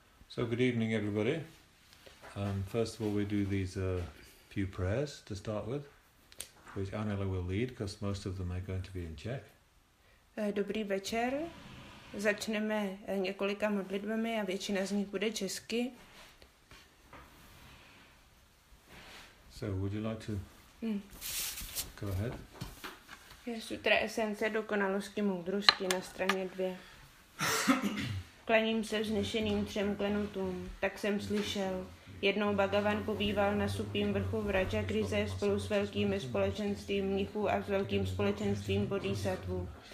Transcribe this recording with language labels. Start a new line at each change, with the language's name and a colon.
English: So good evening, everybody. First of all, we do these few prayers to start with, which Anela will lead, because most of them are going to be in Czech.
Czech: Dobrý večer. Začneme několika modlitbami a většina z nich bude česky.
English: So, would you like to go ahead?
Czech: Je sutra esence dokonalosti moudrosti na straně 2. Klaním se vznešeným třem klenutům, tak jsem slyšel. Jednou Bhagavan pobýval na supím vrchu v Raja Krize spolu s velkými společenstvím mnichů a s velkým společenstvím bodhisattvů.